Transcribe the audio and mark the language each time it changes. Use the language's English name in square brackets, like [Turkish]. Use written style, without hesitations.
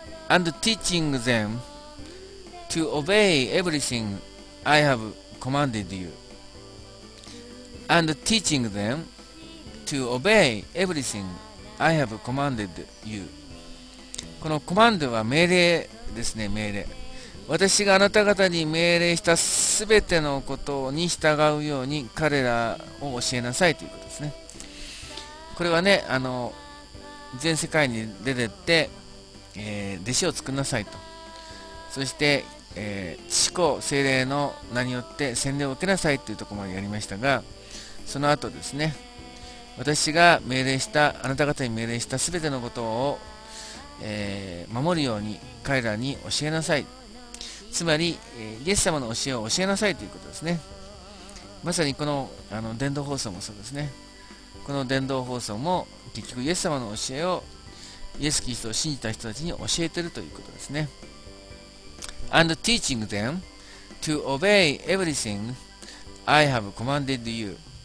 [English] And teaching them to obey everything I have commanded you. And teaching them to obey everything I have commanded you. [Japanese] このコマンドは命令ですね、命令。私があなた方に命令したすべてのことに従うように彼らを教えなさいということですね。これはね、全世界に出てって、弟子を作んなさいと。そして、父子聖霊の名によって洗礼を受けなさいというところまでやりましたが、その後ですね、私が命令した、あなた方に命令したすべてのことを、守るように彼らに教えなさい。つまり、イエス様の教えを教えなさいということですね。まさにこの、伝道放送もそうですね。この伝道放送も結局イエス様の教えをイエスキリストを信じた人たちに教えているということですね。 [English] And teaching them to obey everything I have commanded you.